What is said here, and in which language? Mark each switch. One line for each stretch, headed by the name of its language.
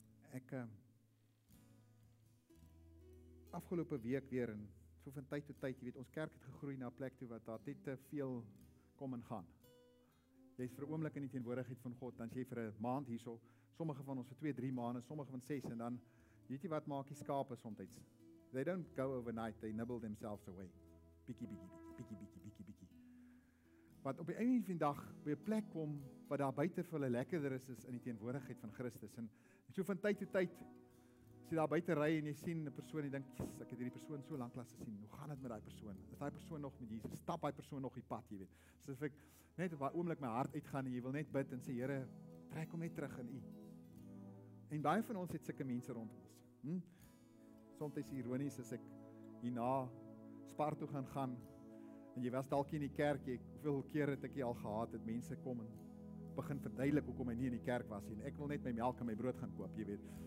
Afrikaans: Ek afgelope week weer en so van tyd tot tyd, jy weet, ons kerk het gegroei na 'n plek toe wat daar net te veel kom en gaan. Jy's vir 'n oomblik in die teenwoordigheid van God, dan jy vir 'n maand hierso, sommige van ons vir 2-3 maande, sommige van 6 en dan weet jy wat maak die skape soms?
English: They don't go overnight, they nibble themselves away.
Afrikaans: Bikkie bikkie bikkie bikkie bikkie bikkie. Wat op die einde van die dag by 'n plek kom wat daar buite vir hulle lekkerder is in die teenwoordigheid van Christus en so van tyd tot tyd as jy daar buite ry en jy sien 'n persoon en jy dink, "Jesus, ek het hierdie persoon so lank lank gesien. Hoe gaan dit met daai persoon? Is daai persoon nog met Jesus? Stap daai persoon nog die pad, jy weet?" So ek net op daai oomblik my hart uitgaan en jy wil net bid en sê, "Here, trek hom net terug in U." En baie van ons het sulke mense rond ons. Soms ironies as ek hierna Spar toe gaan en jy was dalk in die kerk, hoeveel keer het ek jy al gehad het mense kom en begin verduidelik hoekom hy nie in die kerk was en ek wil net my melk en my brood gaan koop, jy weet.